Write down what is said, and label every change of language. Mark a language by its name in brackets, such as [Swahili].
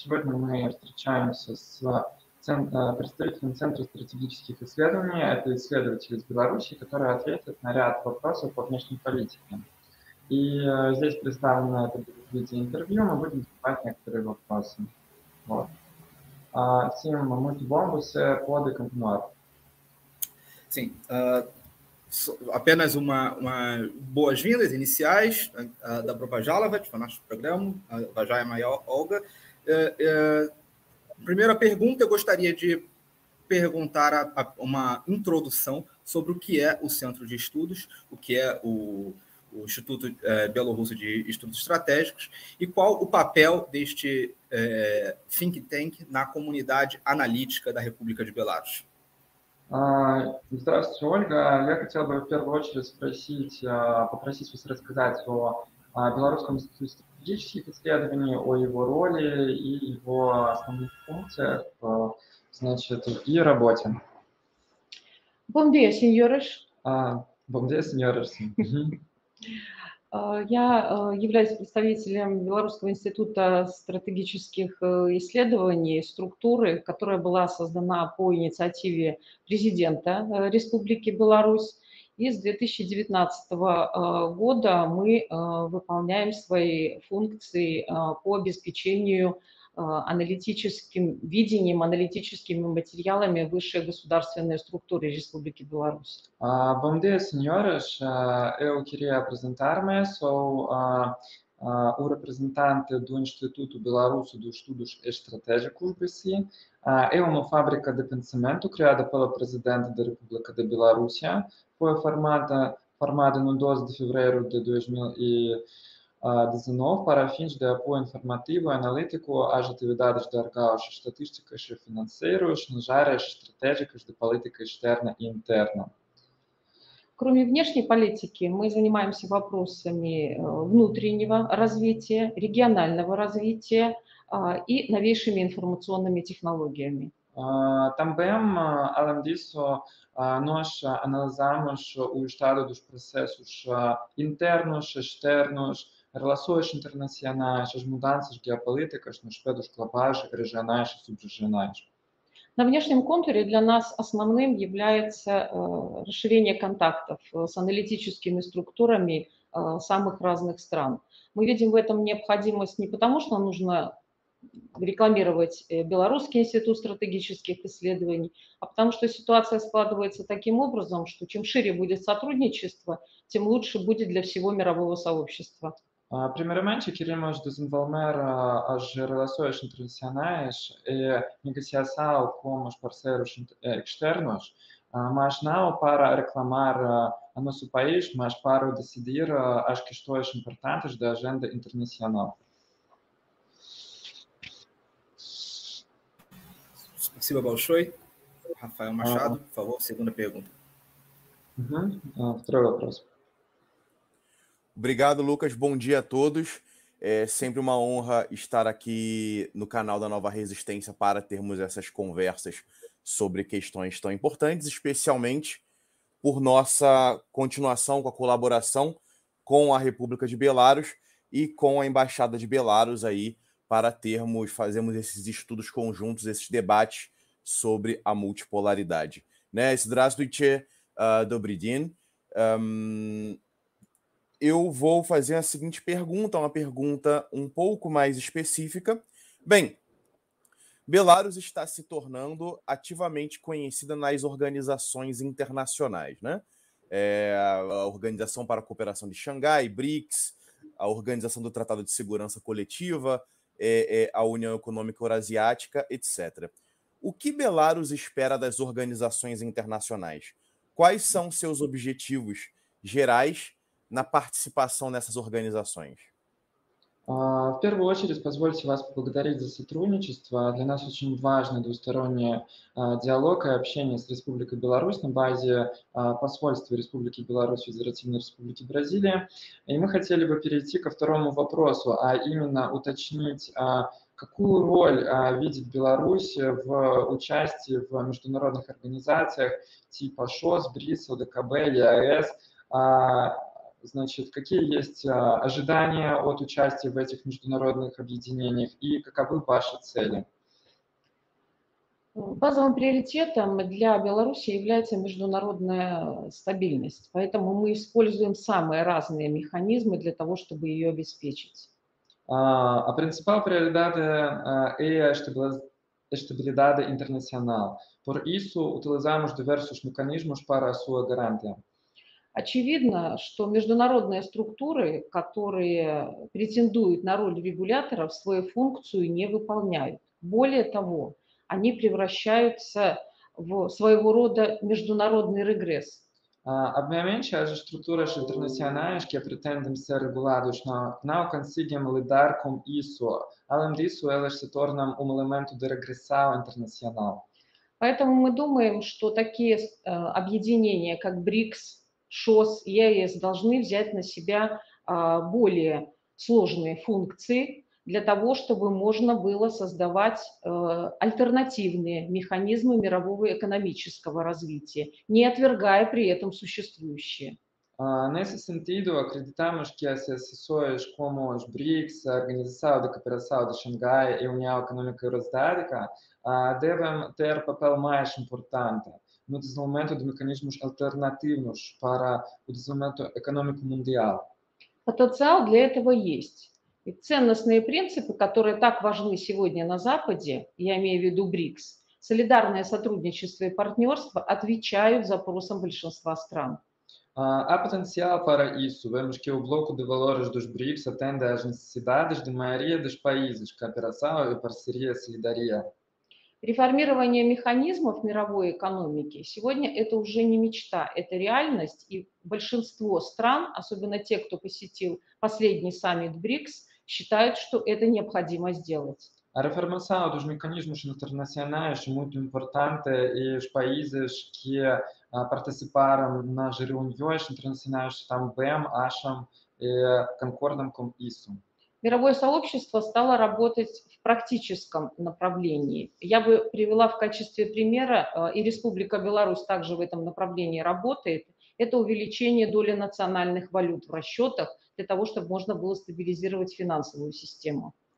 [Russian] Сегодня мы встречаемся с представителем Центра стратегических исследований. Это исследователь из Беларуси, который ответит на ряд вопросов по внешней политике. И здесь представлено это в виде интервью, мы будем задавать некоторые вопросы. Вот. [Portuguese] Sim, muito bom, você pode continuar. Sim, apenas uma boas-vindas iniciais da própria Jalavet, para o nosso programa, a Jaya Maior Olga. Primeira pergunta, eu gostaria de perguntar uma introdução sobre o que é o Centro de Estudos, o que é o Instituto Bielorrusso de Estudos Estratégicos e qual o papel deste think tank na comunidade analítica da República de Belarus. [Russian] Здравствуйте, Ольга. Я хотел бы в первую очередь спросить, попросить вас рассказать о Белорусском институте стратегических исследований, о его роли и его основных функциях, значит, и работе. [Portuguese] Bom dia, senhores. Bom dia, senhores. [Russian] Я являюсь представителем Белорусского института стратегических исследований, структуры, которая была создана по инициативе президента Республики Беларусь. И с 2019 года мы выполняем свои функции по обеспечению аналитическим видением, аналитическими материалами высшей государственной структуры Республики Беларусь. [Portuguese] Bom dia, senhores. Eu queria apresentar-me. Sou o representante do Instituto Belarusso dos Estudos Estratégicos, BSI. É uma fábrica de pensamento criada pelo presidente da República de Belarusia. Foi formada no 12 de fevereiro de 2019 para fins de apoio informativo e analítico às atividades de órgãos estatísticas e financeiros nas áreas estratégicas de política externa e interna. [Russian] Кроме внешней политики, мы занимаемся вопросами внутреннего развития, регионального развития и новейшими информационными технологиями. [Portuguese] Também, além disso, nós analisamos o estado dos processos internos, externos, relações internacionais, as mudanças geopolíticas nos aspectos globais, regionais e subregionais. [Russian] На внешнем контуре для нас основным является расширение контактов с аналитическими структурами самых разных стран. Мы видим в этом необходимость не потому, что нужно рекламировать Белорусский институт стратегических исследований, а потому что ситуация складывается таким образом, что чем шире будет сотрудничество, тем лучше будет для всего мирового сообщества. [Portuguese] Primeiramente, queremos desenvolver as relações internacionais e negociação com os parceiros externos, mas não para reclamar o nosso país, mas para decidir as questões importantes da agenda internacional. Silva Balchoi, Rafael Machado, por favor, segunda pergunta. [Russian] Второй вопрос. [Portuguese] Obrigado, Lucas. Bom dia a todos. É sempre uma honra estar aqui no canal da Nova Resistência para termos essas conversas sobre questões tão importantes, especialmente por nossa continuação com a colaboração com a República de Belarus e com a Embaixada de Belarus aí para termos, fazermos esses estudos conjuntos, esses debates sobre a multipolaridade. Né? [Russian] Здравствуйте, добрый день. [Portuguese] Eu vou fazer a seguinte pergunta, uma pergunta um pouco mais específica. Bem, Belarus está se tornando ativamente conhecida nas organizações internacionais, né? É, a Organização para a Cooperação de Xangai, BRICS, a Organização do Tratado de Segurança Coletiva, a União Econômica Eurasiática, etc. O que Belarus espera das organizações internacionais? Quais são seus objetivos gerais [Russian] на [Portuguese] participação nessas organizações? [Russian] В первую очередь, позвольте вас поблагодарить за сотрудничество. Для нас очень важен двусторонний диалог и общение с Республикой Беларусь на базе посольства Республики Беларусь и Федеративной Республики Бразилия. И мы хотели бы перейти ко второму вопросу, а именно уточнить, какую роль видит Беларусь в участии в международных организациях типа ШОС, БРИС, ОДКБ или АЭС, значит, какие есть ожидания от участия в этих международных объединениях и каковы ваши цели? Базовым приоритетом для Беларуси является международная стабильность, поэтому мы используем самые разные механизмы для того, чтобы ее обеспечить. [Portuguese] А principal prioridade é a estabilidade internacional. Por isso, utilizamos diversos mecanismos para a sua garantia. [Russian] Очевидно, что международные структуры, которые претендуют на роль регуляторов, свою функцию не выполняют. Более того, они превращаются в своего рода международный регресс. Обменяемся же структуры международные, которые претендуют [Portuguese] ser regulados, não conseguem lidar com isso. Além disso, elas se tornam elemento de regressão internacional. [Russian] Поэтому мы думаем, что такие объединения, как БРИКС, ШОС и АЭС должны взять на себя более сложные функции для того, чтобы можно было создавать альтернативные механизмы мирового экономического развития, не отвергая при этом существующие. [Portuguese] Nesse sentido, acreditamos que as associações como os BRICS, a Organização de Cooperação de Xangai e a União Econômica Eurasiática devem ter papel mais importante no desenvolvimento de mecanismos alternativos para o desenvolvimento econômico mundial. [Russian] Потенциал для этого есть. И ценностные принципы, которые так важны сегодня на Западе, я имею в виду БРИКС, солидарное сотрудничество и партнерство отвечают запросам большинства стран. [Portuguese] Há potencial para isso. Vemos que o bloco de valores dos BRICS atende às necessidades da maioria dos países, cooperação e parceria, solidaria. [Russian] Реформирование механизмов мировой экономики сегодня это уже не мечта, это реальность, и большинство стран, особенно те, кто посетил последний саммит БРИКС, считают, что это необходимо сделать. [Portuguese] A reformação dos mecanismos internacionais é muito importante e os países que participaram nas reuniões internacionais também acham e concordam com isso. [Russian] Мировое сообщество стало работать в практическом направлении. Я бы привела в качестве примера, и Республика Беларусь также в этом направлении работает, это увеличение доли национальных валют в расчетах для того, чтобы можно было стабилизировать финансовую систему.